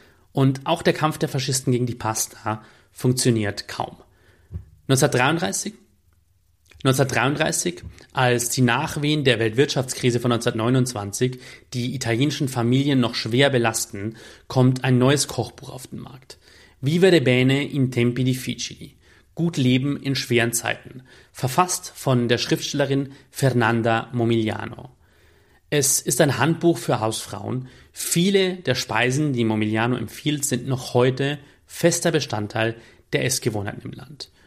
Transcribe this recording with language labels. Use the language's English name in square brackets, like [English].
[German] Und auch der Kampf der Faschisten gegen die Pasta funktioniert kaum. 1933, als die Nachwehen der Weltwirtschaftskrise von 1929 die italienischen Familien noch schwer belasten, kommt ein neues Kochbuch auf den Markt. [Italian] Vivere bene in tempi difficili. [German] Gut leben in schweren Zeiten, verfasst von der Schriftstellerin Fernanda Momigliano. Es ist ein Handbuch für Hausfrauen. Viele der Speisen, die Momigliano empfiehlt, sind noch heute fester Bestandteil der Essgewohnheiten im Land.